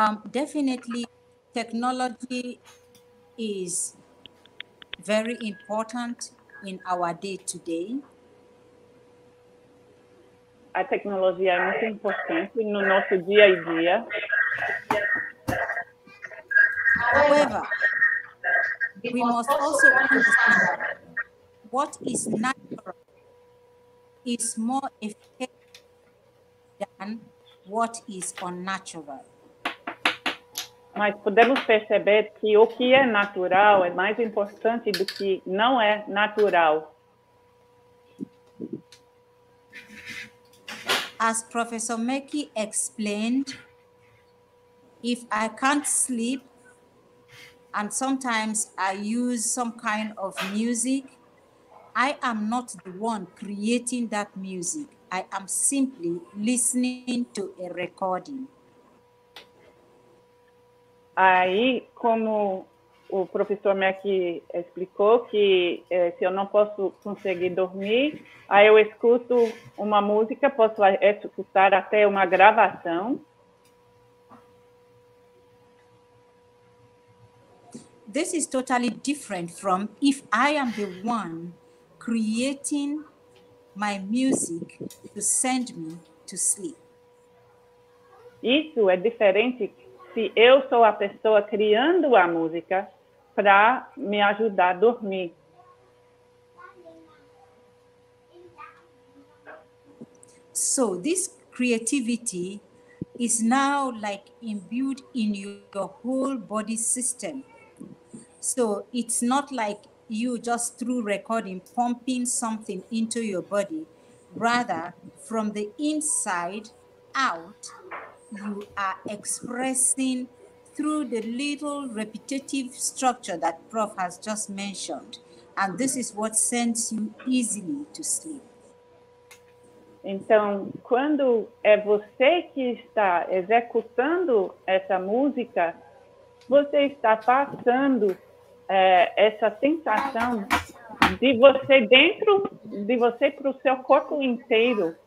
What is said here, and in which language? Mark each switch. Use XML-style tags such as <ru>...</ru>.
<en>Definitely, technology is very important in our day-to-day.</en> <pt>A tecnologia é muito importante no nosso dia-a-dia.</pt> <en>However, we must also understand what is natural is more effective than what is unnatural.</en> <pt>Mas podemos perceber que o que é natural é mais importante do que não é natural.</pt> <en>As Professor Meki explained, if I can't sleep, and sometimes I use some kind of music, I am not the one creating that music. I am simply listening to a recording.</en> <pt>Aí, como o professor Meki explicou, que se eu não posso conseguir dormir, aí eu escuto uma música, posso escutar até uma gravação.</pt> <en>This is totally different from if I am the one creating my music to send me to sleep.</en> <pt>Isso é diferente se eu sou a pessoa criando a música para me ajudar a dormir.</pt> <en>So this creativity is now like imbued in your whole body system. So it's not like you just through recording pumping something into your body. Rather, from the inside out, you are expressing through the little repetitive structure that Prof has just mentioned. And this is what sends you easily to sleep.</en> <pt>Então, quando é você que está executando essa música, você está passando essa sensação de você dentro de você para o seu corpo inteiro.</pt>